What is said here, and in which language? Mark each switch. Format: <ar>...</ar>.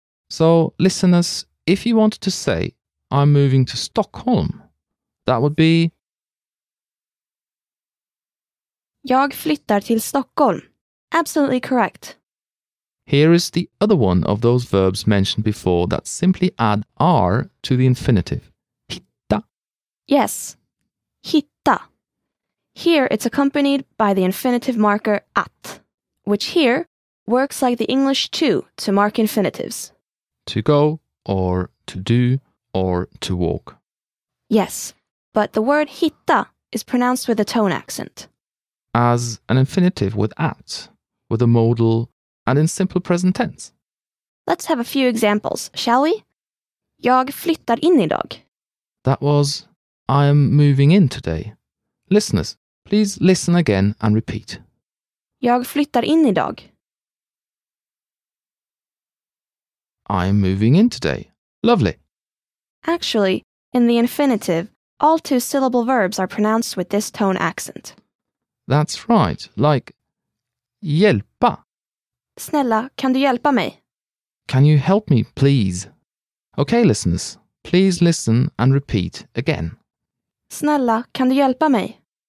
<en>So, listeners, if you wanted to say, I'm moving to Stockholm, that would be...</en> <sv>Jag flyttar till Stockholm.</sv> <en>Absolutely correct. Here is the other one of those verbs mentioned before that simply add R to the infinitive. Hitta. Yes. Hitta. Here it's accompanied by the infinitive marker att, which here works like the English to mark infinitives. To go, or to do, or to walk. Yes, but the word hitta is pronounced with a tone accent. As an infinitive with att, with a modal, and in simple present tense. Let's have a few examples, shall we?</en> <sv>Jag flyttar in idag.</sv> <en>That was, I am moving in today. Listeners, please listen again and repeat.</en> <sv>Jag flyttar in idag.</sv> <en>I am moving in today. Lovely. Actually, in the infinitive, all two-syllable verbs are pronounced with this tone accent. That's right. Like, hjälpa.</en> <sv>Snälla, kan du hjälpa mig?</sv> <en>Can you help me, please? Okay, listeners, please listen and repeat again.</en> <sv>Snälla, kan du hjälpa mig?</sv>